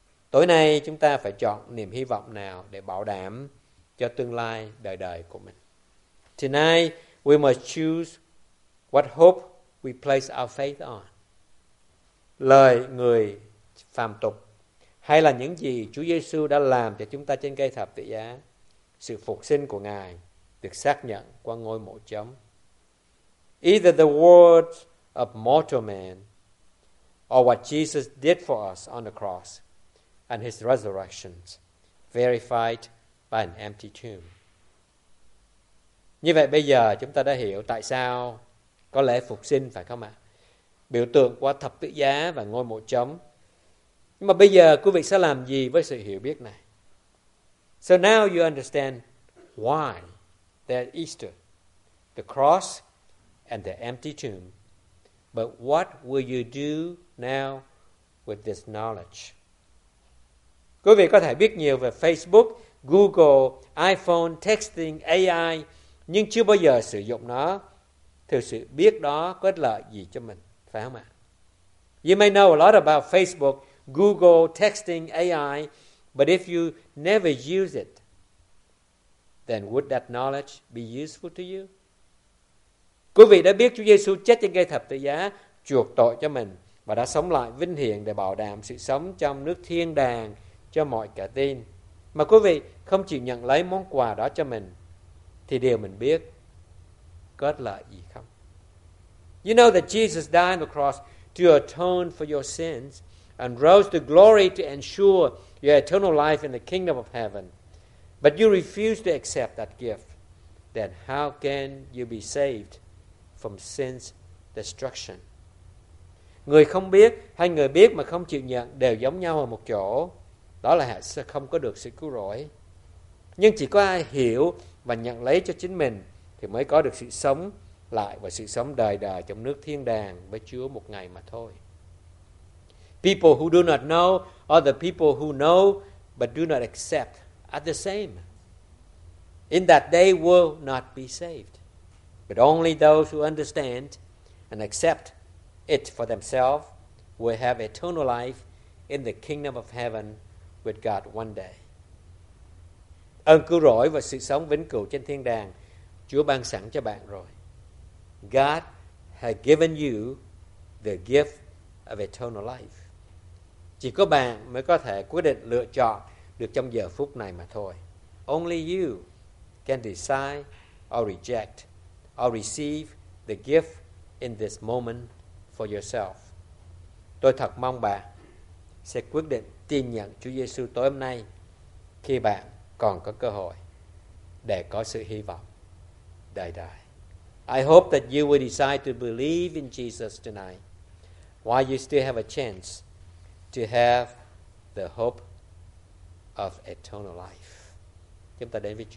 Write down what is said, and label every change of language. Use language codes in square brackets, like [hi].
[vi] Tối nay chúng ta phải chọn niềm hy vọng nào để bảo đảm cho tương lai đời đời của mình. [en] Tonight we must choose what hope we place our faith on. [vi] Lời người phàm tục hay là những gì Chúa Giêsu đã làm cho chúng ta trên cây thập tự giá, sự phục sinh của Ngài được xác nhận qua ngôi mộ trống. [en] Either the words of mortal man or what Jesus did for us on the cross and his resurrection verified by an empty tomb. [vi] Như vậy bây giờ chúng ta đã hiểu tại sao có lễ phục sinh, phải không ạ? Biểu tượng qua thập tự giá và ngôi mộ trống. Nhưng mà bây giờ quý vị sẽ làm gì với sự hiểu biết này? [en] So now you understand why there's Easter, the cross and the empty tomb. But what will you do now with this knowledge? [vi] Quý vị có thể biết nhiều về Facebook, Google, iPhone, texting, AI, nhưng chưa bao giờ sử dụng nó. Thì sự biết đó có ích lợi gì cho mình, phải không ạ? [en] You may know a lot about Facebook, Google, texting, AI, but if you never use it, then would that knowledge be useful to you? [vi] Quý vị đã biết Chúa Giêsu chết trên cây thập tự giá, chuộc tội cho mình và đã sống lại vinh hiển để bảo đảm sự sống trong nước thiên đàng cho mọi kẻ tin. Mà quý vị không chịu nhận lấy món quà đó cho mình, thì điều mình biết có ích lợi gì không? [en] You know that Jesus died on the cross to atone for your sins and rose to glory to ensure your eternal life in the kingdom of heaven. But you refuse to accept that gift. Then how can you be saved from sin's destruction? [vi] Người không biết hay người biết mà không chịu nhận đều giống nhau ở một chỗ. Đó là sẽ không có được sự cứu rỗi. Nhưng chỉ có ai hiểu và nhận lấy cho chính mình thì mới có được sự sống lại và sự sống đời đời trong nước thiên đàng với Chúa một ngày mà thôi. [en] People who do not know are the people who know but do not accept are the same. In that they will not be saved. But only those who understand and accept it for themselves will have eternal life in the kingdom of heaven with God one day. [vi] Ơn cứu rỗi và sự sống vĩnh cửu trên thiên đàng Chúa ban sẵn cho bạn rồi. [en] God has given you the gift of eternal life. [vi] Chỉ có bạn mới có thể quyết định lựa chọn được trong giờ phút này mà thôi. [en] Only you can decide or reject or receive the gift in this moment for yourself. [vi] Tôi thật mong bạn sẽ quyết định tin nhận Chúa Giêsu tối hôm nay khi bạn còn có cơ hội để có sự hy vọng đời đời. [en] I hope that you will decide to believe in Jesus tonight while you still have a chance to have the hope of eternal life. [vi] Chúng ta đến với Chúa.